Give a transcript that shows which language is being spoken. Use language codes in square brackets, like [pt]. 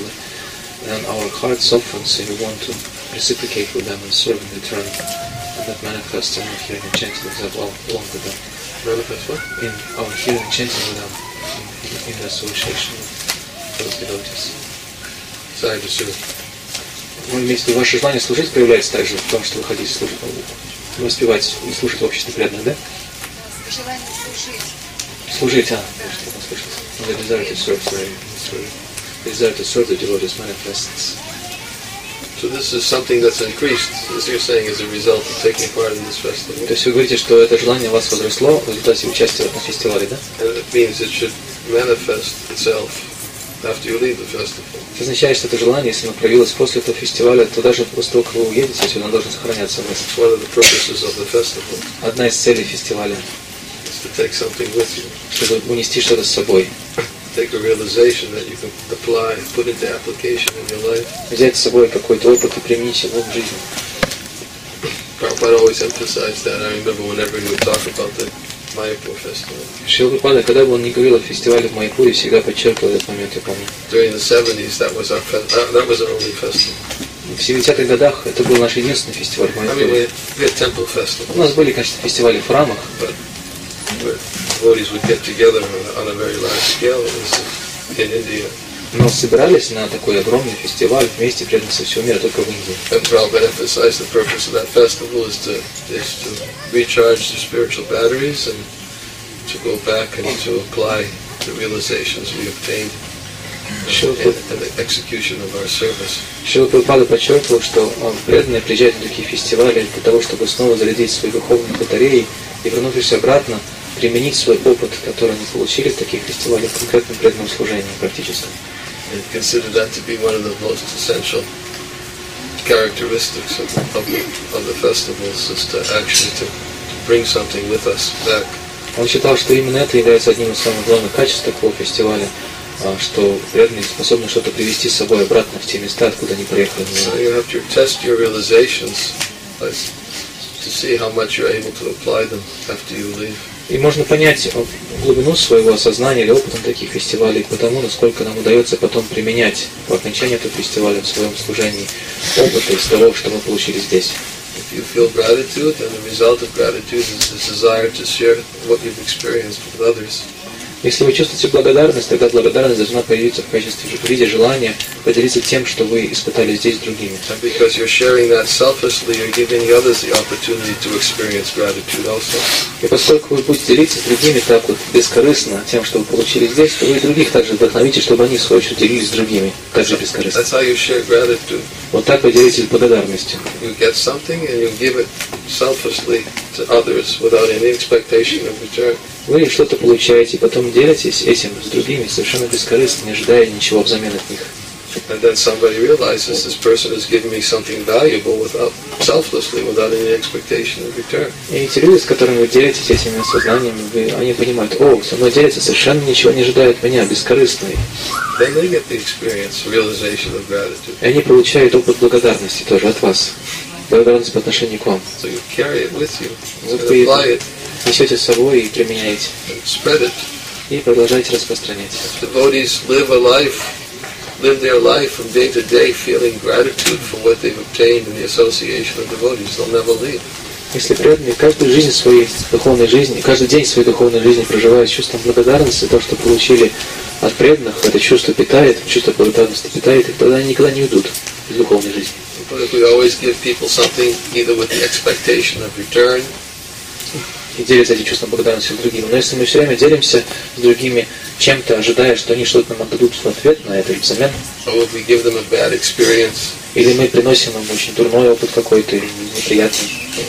[en] Then our heart softens, and we want to reciprocate with them and serve in return. And that manifests in our hearing and chanting with them along with them. Manifest what? In our hearing and chanting with them, in the association with those devotees. So I just said. [ru] Вы имеете в виду, ваше желание служить проявляется также в том, что вы хотите служить Богу. Воспевать и слушать общество преданное, да? Желание служить. Служить, а? Да, что вы слышите. [en] The desire to serve, sorry. Desire to serve the devotees manifests. So this is something that's increased, as you're saying, as a result of taking part in this festival. [ru] То есть вы говорите, что это желание у вас возросло в результате участия в этом фестивале, да? [en] And it means it should manifest itself after you leave the festival. [ru] Означает, что это желание, если оно проявилось после этого фестиваля, то даже после того, как вы уедете, оно должно сохраняться в вас. [en] One of the purposes of the festival. [ru] Одна из целей фестиваля. [en] Is to take something with you. [ru] Чтобы унести что-то с собой. [en] Take a realization that you can apply and put into application in your life. [ru] Взять с собой какой-то опыт и применить его в жизни. [en] Prabhupada always emphasized that. I remember whenever he would talk about the [ru] Майяпур фестиваль. Шрила Прабхупада, когда бы он ни говорил о фестивале в Майяпуре, всегда подчеркивал этот момент, я помню. [en] During the 70s, that was our only festival. [ru] В 70-х годах это был наш единственный фестиваль в Майяпуре. [en] I mean, we had temple festivals. [ru] У нас были, конечно, фестивали в храмах. [en] Devotees would get together on a very large scale in India. [ru] Но собирались на такой огромный фестиваль вместе, преданно со всего мира, только в Индии. [en] And Prabhupada emphasized the purpose of that festival is to recharge the spiritual batteries and to go back and to apply the realizations we obtained in the execution of our service. [ru] Шрила Прабхупада подчеркивал, что преданные приезжают на такие фестивали для того, чтобы снова зарядить свои духовные батареи и, вернувшись обратно, применить свой опыт, который они получили в таких фестивалях, в конкретном преданном служении, практически. [en] And consider that to be one of the most essential characteristics of the festivals is to actually to bring something with us back. [ru] Он считал, что именно это является одним из самых главных качеств такого фестиваля, что преданные способны что-то привести с собой обратно в те места, откуда они приехали. [en] So you have to test your realizations to see how much you're able to apply them after you leave. [ru] И можно понять глубину своего осознания или опыта на таких фестивалях, потому насколько нам удается потом применять по окончании этого фестиваля в своем служении опыт из того, что мы получили здесь. [en] If you feel gratitude, then the result of gratitude is the desire to share what you've experienced with others. [ru] Если вы чувствуете благодарность, тогда благодарность должна появиться в качестве в виде желания поделиться тем, что вы испытали здесь с другими. [en] And because you're sharing that selflessly, you're giving others the opportunity to experience gratitude also. [ru] И поскольку вы будете делиться с другими так вот бескорыстно тем, что вы получили здесь, то вы и других также вдохновите, чтобы они в свою очередь делились с другими также бескорыстно. [en] That's how you share gratitude. [ru] Вот так вы делитесь благодарностью. [en] You get something and you give it selflessly to others without any expectation of return. [ru] Вы что-то получаете, потом делитесь этим с другими совершенно бескорыстно, не ожидая ничего взамен от них. [en] And then somebody realizes this person has given me something valuable without selflessly, without any expectation of return. [ru] И эти люди, с которыми вы делитесь этими сознаниями, они понимают, о, со мной делится, совершенно ничего не ожидает меня, бескорыстный. [en] Then they get the experience, realization of gratitude. [ru] И они получают опыт благодарности тоже от вас. Благодарность по отношению к вам. [en] So you carry it with you. [ru] Вы несете с собой и применяете. [en] Spread it. [ru] И продолжаете распространять. [en] Devotees live a life. Live their life from day to day, feeling gratitude for what they've obtained in the association of devotees. They'll never leave. [ru] Если преданные каждую жизнь своей духовной жизни, каждый день своей духовной жизни проживают чувством благодарности за то, что получили от преданных, это чувство питает, чувство благодарности питает, и тогда они никогда не уйдут из духовной жизни. [en] But if we always give people something, either with the expectation of return. [ru] И делиться этим чувством благодарности с другими. Но если мы все время делимся с другими чем-то, ожидая, что они что-то нам отдадут в ответ на это взамен, или мы приносим им очень дурной опыт какой-то, неприятный.